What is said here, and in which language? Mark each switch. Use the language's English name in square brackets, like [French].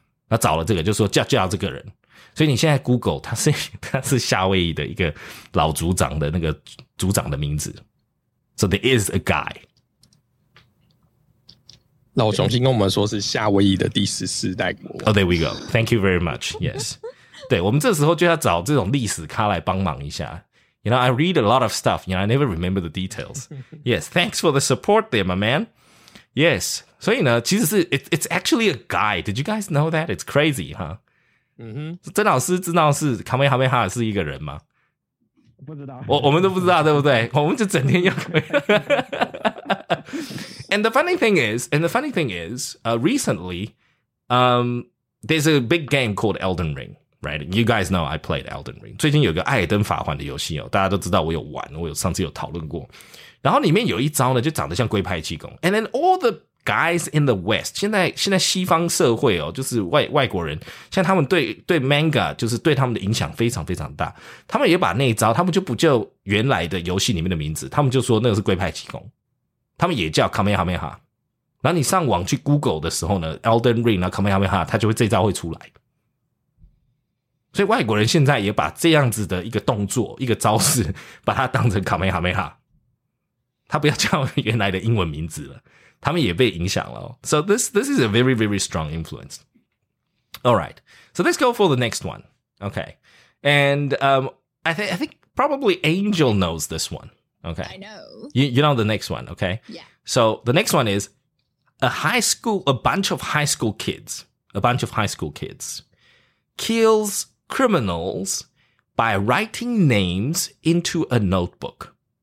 [Chinese] 他找了这个就说叫这个人。所以你现在 Google, 他是夏威夷的一个老族长的那个族长的名字。 [English] So there is a guy. [Chinese] 老雄心跟我们说是夏威夷的第十四代国王。 [English] Oh, there we go. Thank you very much. Yes. [Chinese] 对，我们这时候就要找这种历史咖来帮忙一下。 [English] You know, I read a lot of stuff. You know, I never remember the details. Yes, thanks for the support there, my man. Yes. [Chinese] 所以呢，其实是 [English] it's actually a guy. Did you guys know that? It's crazy, huh? 嗯哼。 [Chinese] 曾老师知道是卡梅哈梅哈是一个人吗？不知道。我们都不知道，对不对？我们就整天要卡梅哈哈 [English] And the funny thing is, recently, there's a big game called Elden Ring, right? You guys know I played Elden Ring. [Chinese] 最近有个艾登法环的游戏哦，大家都知道我有玩，我有上次有讨论过。然后里面有一招呢，就长得像龟派气功。 [English] And then all the guys in the West, [Chinese] 现在西方社会哦，就是外国人，像他们对 manga 就是对他们的影响非常非常大。他们也把那一招，他们就不叫原来的游戏里面的名字，他们就说那个是龟派气功。他们也叫 Kamehameha， 然后你上网去 Google 的时候呢 ，Elden Ring 啊 Kamehameha， 他就会这招会出来。所以外国人现在也把这样子的一个动作、一个招式，把它当成 Kamehameha， 他不要叫原来的英文名字了。他们也被影响了。 [English] So this is a very very strong influence. All right, so let's go for the next one. Okay, and I think probably Angel knows this one. Okay. I know. You know the next one, okay? Yeah. So the next one is a bunch of high school kids kills criminals by writing names into a notebook.